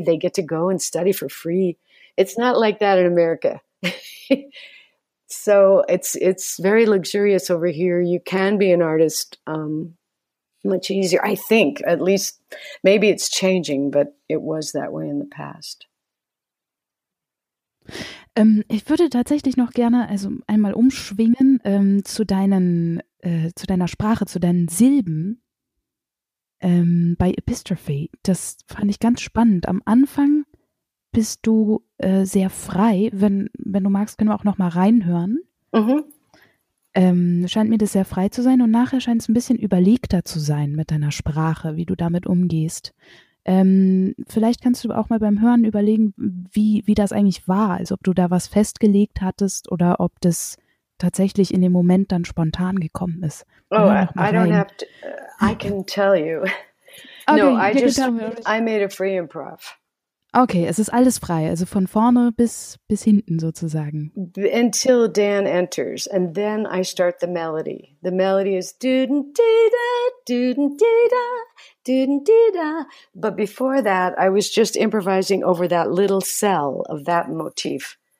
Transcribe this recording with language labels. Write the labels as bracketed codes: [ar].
[en] They get to go and study for free. It's not like that in America. So it's very luxurious over here. You can be an artist much easier, I think. At least maybe it's changing, but it was that way in the past. [de] Ich würde tatsächlich noch gerne, also einmal umschwingen zu deiner Sprache, zu deinen Silben bei Epistrophe. Das fand ich ganz spannend. Am Anfang bist du sehr frei. Wenn du magst, können wir auch noch mal reinhören. Mhm. Scheint mir das sehr frei zu sein. Und nachher scheint es ein bisschen überlegter zu sein mit deiner Sprache, wie du damit umgehst. Vielleicht kannst du auch mal beim Hören überlegen, wie das eigentlich war, also ob du da was festgelegt hattest oder ob das tatsächlich in dem Moment dann spontan gekommen ist. [en] Oh, I can tell you. Okay, no, I made a free improv. [de] Okay, es ist alles frei, also von vorne bis hinten sozusagen. [en] Until Dan enters and then I start the melody. The melody is do-dun-dee-da, do-dun-dee-da, do-dun-dee-da. But before that, I was just improvising over that little cell of that motif.